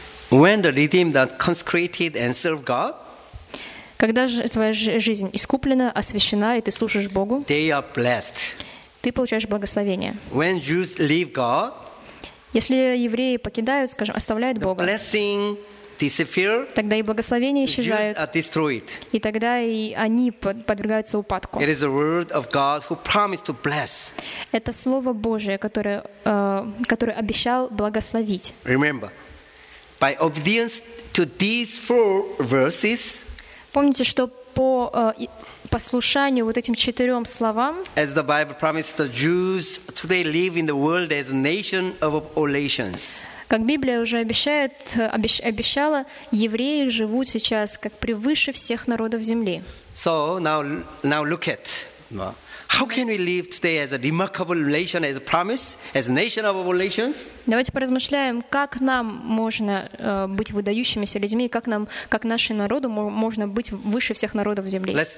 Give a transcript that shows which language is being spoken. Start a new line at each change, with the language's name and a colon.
English: When the redeemed are consecrated and serve God.
Russian: Когда же твоя жизнь искуплена, освящена и ты служишь Богу?
English: They are blessed.
Russian: Ты получаешь благословение.
English: When Jews leave God,
Russian: если евреи покидают, скажем, оставляют
English: the
Russian: Бога,
English: blessing disappear,
Russian: тогда и благословение исчезает.
English: Jews are destroyed.
Russian: И тогда и они подвергаются упадку.
English: It is the word of God who promised to bless.
Russian: Это слово Божие, которое, которое обещал благословить.
English: Remember, by obedience to these four verses,
Russian: помните, что по послушанию вот этим четырем словам,
English: as the Bible promised, the Jews today live in the world as a nation of all nations.
Russian: Как Библия уже обещает, обещала, евреи живут сейчас как превыше всех народов земли.
English: So now look at how can we live today as a remarkable nation, as a promise, as a nation of all nations?
Russian: Давайте поразмышляем, как нам можно быть выдающимися людьми, как нам, как нашему народу можно быть выше всех народов земли.